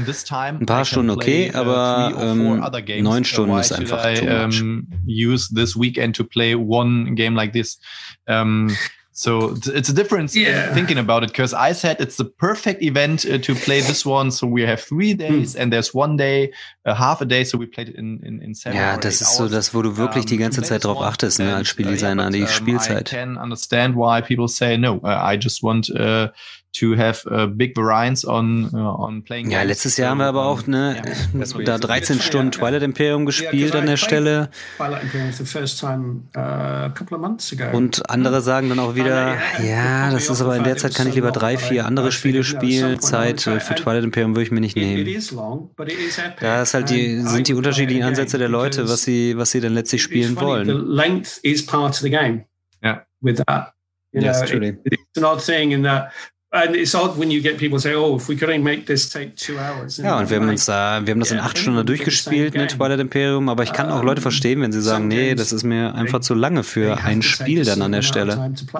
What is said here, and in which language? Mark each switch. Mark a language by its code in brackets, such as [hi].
[de] Ein paar Stunden okay, aber 9 Stunden ist einfach [en] too much. Use this weekend to play one game like this. So it's a difference thinking about it, because I said it's the perfect event to play this one. So we have 3 days and there's 1 day, half a day. So we played it in 7 hours. [de] Ja, das ist so das, wo du wirklich die ganze Zeit drauf achtest, als Spieldesigner, die Spielzeit. [en] I can understand why people say, no, I just want to have a big variance on playing. [de] Ja, letztes Jahr haben wir aber auch da 13 Stunden Twilight Imperium gespielt an der Stelle. [en] Twilight Imperium for the first time a couple of months ago. [de] Und andere sagen dann auch wieder, das ist aber in der Zeit kann ich lieber 3-4 andere Spiele spielen. Zeit für Twilight Imperium würde ich mir nicht nehmen. Da ist halt die unterschiedlichen Ansätze der Leute, was sie dann letztlich spielen wollen. [en] Length is part of the game. Yeah. With that. It's an odd thing in that. And it's odd when you get people say, oh, if we couldn't make this take 2 hours. [de] Ja, und wir haben das in 8 Stunden durchgespielt, ne, Twilight Imperium. Aber ich kann auch Leute verstehen, wenn sie sagen, nee, das ist mir einfach zu lange für ein Spiel dann an der Stelle.